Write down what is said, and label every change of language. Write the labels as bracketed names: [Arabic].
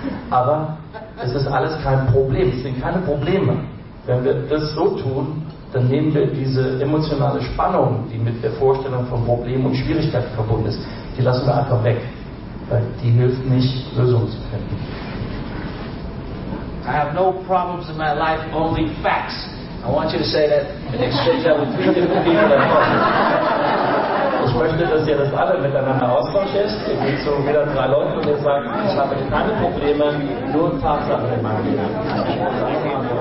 [German] Aber es ist alles kein Problem, es sind keine Probleme. Wenn wir das so tun, dann nehmen wir diese emotionale Spannung, die mit der Vorstellung von Problemen und Schwierigkeiten verbunden ist, die lassen wir einfach weg, weil die hilft nicht, Lösungen zu finden. [English] I have no problems in my life, only facts. I want you to say that in exchange that with three different people. [German] Ich möchte, dass ihr das alle miteinander austauscht. Ihr geht zu wieder drei Leuten und ihr sagt, ich habe keine Probleme, nur Tatsachen in meinem Leben.